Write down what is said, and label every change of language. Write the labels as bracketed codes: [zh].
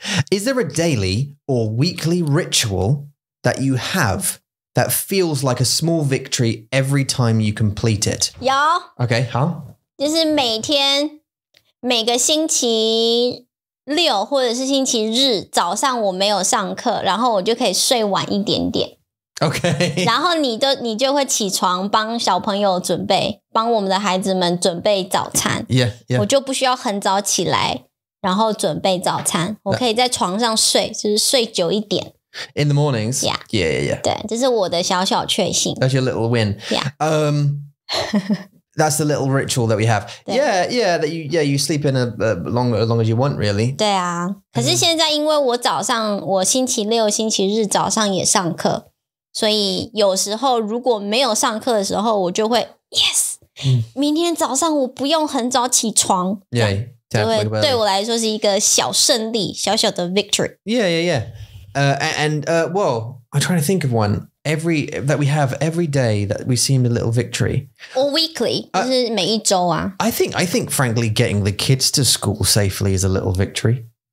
[en] Is there a daily or weekly ritual that you have that feels like a small victory every time you complete it? Yeah. Okay, huh? [zh] 就是每天每个星期六或者是星期日早上我没有上课然后我就可以睡晚一点点。 [en] Okay. [zh] 然后你就会起床帮小朋友准备帮我们的孩子们准备早餐。 [en] Yeah, yeah. [zh] 我就不需要很早起来然后准备早餐。我可以在床上睡就是睡久一点。 [en] In the mornings? Yeah. Yeah, yeah, yeah. [zh] 对这是我的小小确信。 [en] That's your little win. Yeah. That's the little ritual that we have. Yeah, yeah, that you, yeah, you sleep in as long as you want, really. [zh] 对啊。可是现在因为我早上我星期六星期日早上也上课。所以有时候如果没有上课的时候我就会 [en] Yes [zh] 明天早上我不用很早起床 [en] Yeah [zh] 对我来说是一个小胜利小小的 [en] victory Yeah yeah yeah Well I'm trying to think of one Every That we have every day That we seem a little victory Or weekly [zh] 就是每一周啊 [en] I think frankly Getting the kids to school safely Is a little victory